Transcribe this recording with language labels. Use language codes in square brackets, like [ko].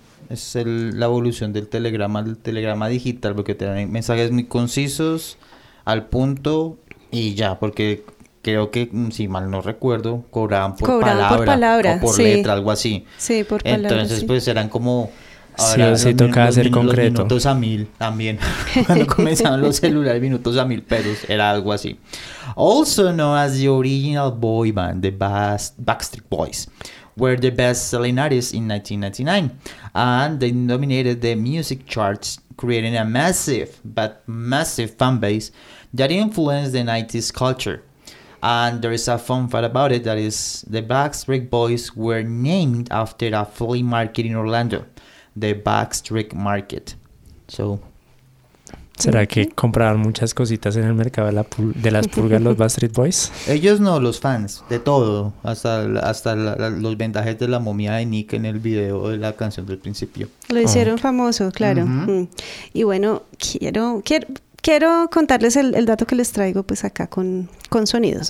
[es] Es la evolución del telegrama, el telegrama digital, porque tienen mensajes muy concisos, al punto y ya, porque creo que, si mal no recuerdo, cobraban por palabra o por letra, algo así. Sí, por palabra. Entonces, sí, pues eran como... Sí, ahora, sí, tocaba ser concreto. Minutos a mil también. Cuando comenzaron los celulares, minutos a mil pesos. Era algo así. [en] Also known as the original boy band, the Backstreet Boys, were the best-selling artists in 1999. And they dominated the music charts, creating a massive fan base that influenced the 90s culture. And there is a fun fact about it, that is, the Backstreet Boys were named after a flea market in Orlando, the Backstreet Market. So, [es] ¿será que compraron muchas cositas en el mercado de las pulgas los Backstreet Boys? Ellos no, los fans, de todo, hasta los vendajes de la momia de Nick en el video de la canción del principio. Lo hicieron famoso, claro. Uh-huh. Y bueno, quiero contarles el dato que les traigo pues acá con sonidos.